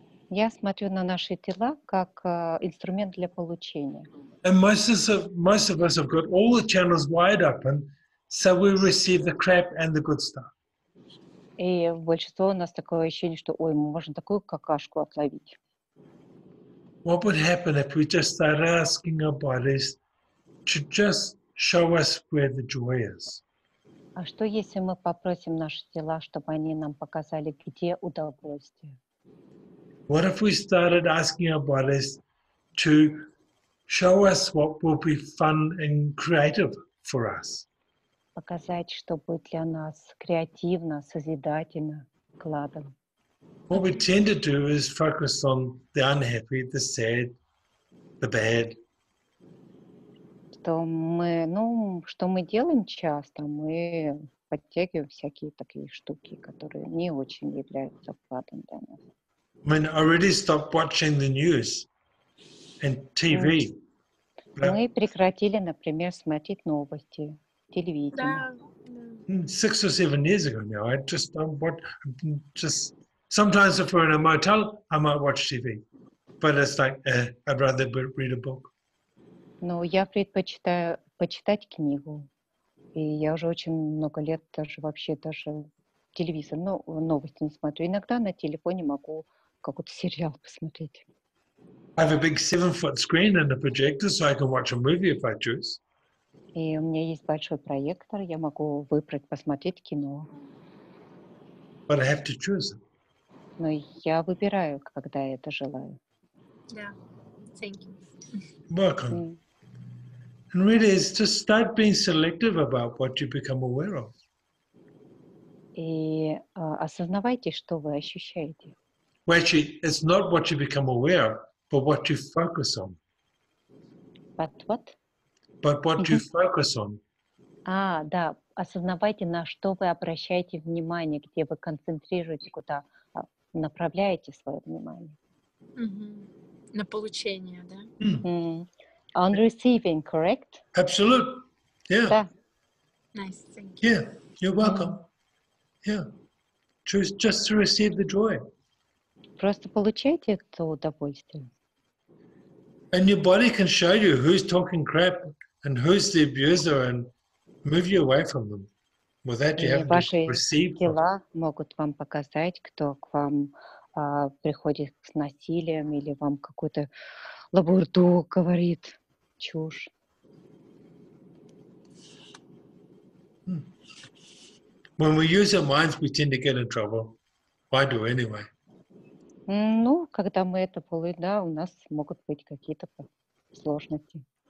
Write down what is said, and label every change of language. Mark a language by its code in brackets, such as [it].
[ru] Я смотрю на наши тела как инструмент для получения. [en] And most of us have got all the channels wide open, so we receive the crap and the good stuff. [ru] И большинство у нас такое ощущение, что, ой, можно такую какашку отловить. [en] What would happen if we just start asking our bodies to just show us where the joy is? [ru] А что, если мы попросим наши тела, чтобы они нам показали, где удовольствие? [en] What if we started asking our bodies to show us what will be fun and creative for us? [ru] Показать, что будет для нас креативно, созидательно, кладом. [en] What we tend to do is focus on the unhappy, the sad, the bad. [ru] Что мы делаем часто, мы подтягиваем всякие такие штуки, которые не очень являются вкладом для нас. [en] I mean, I already stopped watching the news and TV. [ru] Мы прекратили, например, смотреть новости, телевидение. [en] Six or seven years ago now, I just don't watch, just sometimes if we're in a motel, I might watch TV. But it's like, I'd rather read a book. [ru] Но я предпочитаю почитать книгу. И я уже очень много лет даже телевизор, но новости не смотрю. Иногда на телефоне могу какой-то сериал посмотреть. [en] I have a big 7-foot screen and a projector, so I can watch a movie if I choose. [ru] И у меня есть большой проектор, я могу выбрать, посмотреть кино. [en] But I have to choose. [ru] Но я выбираю, когда я это желаю. [en] Yeah, thank you. Welcome. And really, it's to start being selective about what you become aware of. [ru] И осознавайте, что вы ощущаете. [en] Well, actually, it's not what you become aware of, but what you focus on. But what? But what you focus on. [ru] Да, осознавайте, на что вы обращаете внимание, где вы концентрируете, куда направляете свое внимание. На получение, да? [en] On receiving, correct? Absolutely, yeah. [ru] Да. [en] Nice, thank you. Yeah, you're welcome. Yeah, just to receive the joy. [ru] Просто получайте это удовольствие. [en] And your body can show you who's talking crap and who's the abuser and move you away from them. With that, you have [ru] ваши [en] to receive [ru] тела [en] them. [ru] Могут вам показать, кто к вам приходит с насилием или вам какую-то лабурду говорит чушь. [en] When we use our minds, we tend to get in trouble. Why do anyway? [ru] Ну, когда мы это полы, да, у нас могут быть какие-то сложности.